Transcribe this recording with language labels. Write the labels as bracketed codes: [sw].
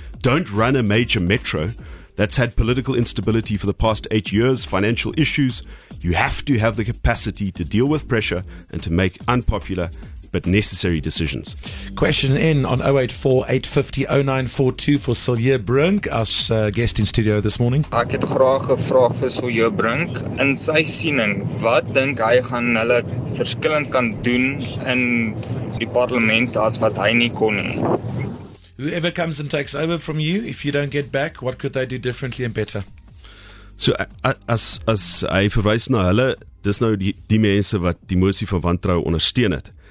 [en] Don't run a major metro that's had political instability for the past 8 years, financial issues. You have to have the capacity to deal with pressure and to make unpopular but necessary decisions. Question in on 084 850 0942 for Silje Brink, as guest in studio this morning. [af] Ek het graag 'n vraag vir Silje Brink. In sy siening, wat dink hy gaan hulle verskillend kan doen in die parlement as wat hy nie kon nie? [en] Whoever comes and takes over from you, if you don't get back, what could they do differently and better? [af] So as hy verwys na hulle, dis nou die mense wat die mosie van wantrou ondersteun het.